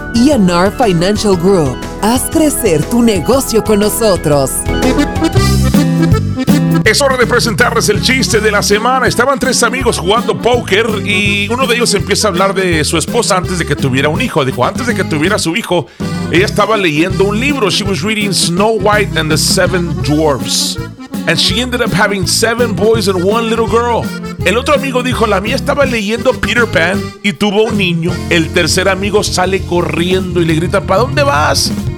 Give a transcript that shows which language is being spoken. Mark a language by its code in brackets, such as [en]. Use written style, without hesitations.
[es] ENR Financial Group. Haz crecer tu negocio con nosotros. Es hora de presentarles el chiste de la semana. Estaban tres amigos jugando póker y uno de ellos empieza a hablar de su esposa antes de que tuviera un hijo. Dijo, antes de que tuviera su hijo, ella estaba leyendo un libro. [en] She was reading Snow White and the Seven Dwarfs. And she ended up having seven boys and one little girl. [es] El otro amigo dijo, la mía estaba leyendo Peter Pan y tuvo un niño. El tercer amigo sale corriendo y le grita, ¿para dónde vas?